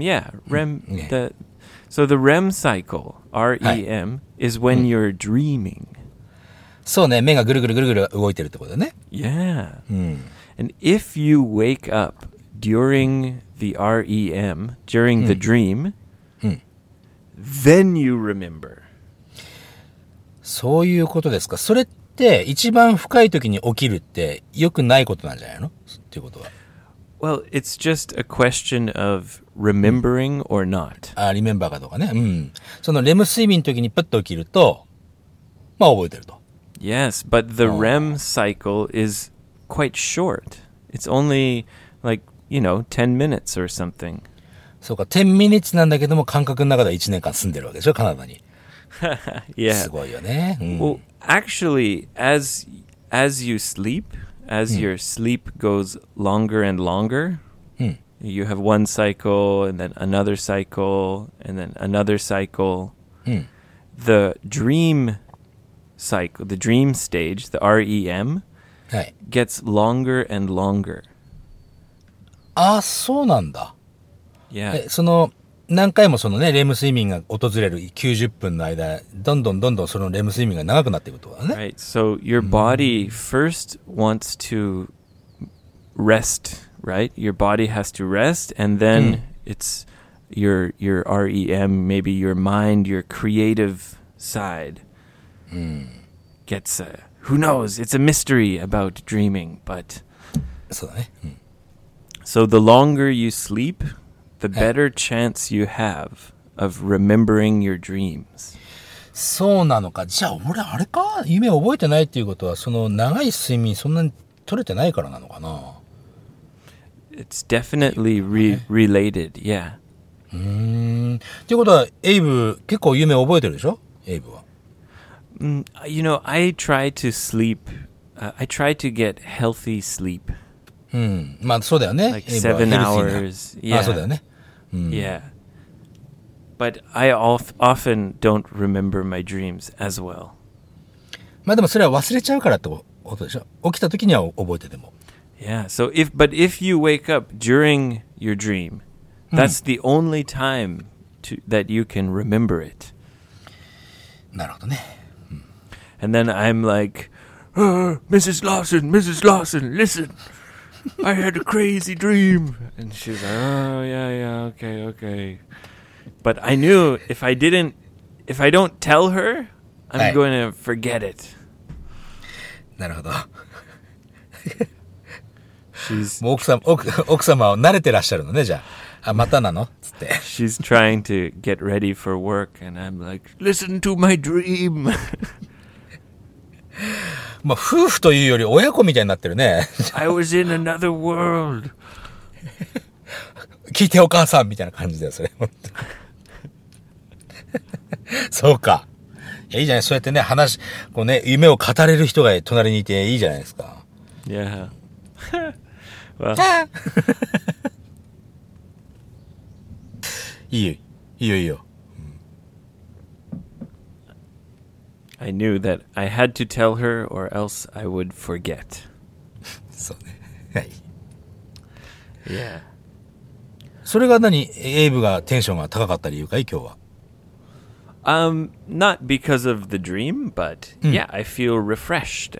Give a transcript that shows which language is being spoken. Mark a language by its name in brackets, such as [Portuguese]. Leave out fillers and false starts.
[English] The REM cycle, REM, is when you're dreaming. [Japanese] そうね、目がぐるぐるぐるぐる動いてるってことだね。 [English] Yeah.、 [Japanese] うん、 [English] And if you wake up during the REM, during the dream,、then you remember. [Japanese] そういうことですか。それって一番深い時に起きるって良くないことなんじゃないの？っていうことは。 [English] Well, it's just a question of remembering or not. [Japanese] あ、リメンバーかどうかね。うん。そのレム睡眠の時にプッと起きると、まあ覚えてると。 [English] Yes, but the REM cycle is quite short. It's only like, you know, 10 minutes or something. [Japanese] そうか、 [English] 10 minutes [Japanese] なんだけども、感覚の中では1年間住んでるわけでしょ、カナダに。 [English] yeah. [Japanese] すごいよね。 [English] Well, actually, as you sleep, as your sleep goes longer and longer, you have one cycle and then another cycle and then another cycle. The dream cycle, the dream stage, the REM, gets longer and longer. [Japanese] ああ、そうなんだ。 [English] Yeah. [Japanese] その何回もそのね、レム睡眠が訪れる90分の間、どんどんどんどんそのレム睡眠が長くなっていくとはね。 [English] Right. So your body first wants to rest, right? Your body has to rest, and then it's your REM, maybe your mind, your creative side gets a, who knows? It's a mystery about dreaming, but [Japanese] そうだね。 [English] So the longer you sleep, the better chance you have of remembering your dreams. [Japanese] そうなのか。じゃあ俺あれか、夢覚えてないっていうことはその長い睡眠そんなに取れてないからなのかな。 [English] It's definitely related, yeah. [Japanese] っていうことはエイブ結構夢覚えてるでしょ、エイブは。 [English] You know, I try to sleep. I try to get healthy sleep. [Japanese] まあそうだよね。 [English] Like 7 hours. Yeah. [Japanese] あ、そうだよね。 [English] Yeah. But I often don't remember my dreams as well. [Japanese] まあでもそれは忘れちゃうからってことでしょ。起きた時には覚えてても。 [English] Yeah. So if you wake up during your dream, that's the only time that you can remember it. [Japanese] なるほどね。 [English] And then I'm like, Mrs. Lawson, Mrs. Lawson, listen, I had a crazy dream. And she's like, oh, yeah, yeah, okay, okay. But I knew if I don't tell her, I'm going to forget it. [Japanese] なるほど。 [English] She's, [Japanese] もう奥様を慣れてらっしゃるのね、じゃあ。あ、またなの？つって。 [English] She's trying to get ready for work, and I'm like, listen to my dream. [Japanese] まあ夫婦というより親子みたいになってるね。 [English] I was in another world. [Japanese] 聞いてお母さんみたいな感じだよ、それ。そうか。いや、いいじゃない。そうやってね、話、こうね、夢を語れる人が隣にいていいじゃないですか。 [English] Yeah. Well. [Japanese] いいよ、いいよ、いいよ。 [English] I knew that I had to tell her or else I would forget. [Japanese] そうね。 [English] yeah. [Japanese] それが何、エイブがテンションが高かった理由かい、今日は。 [English] Not because of the dream, but yeah, I feel refreshed.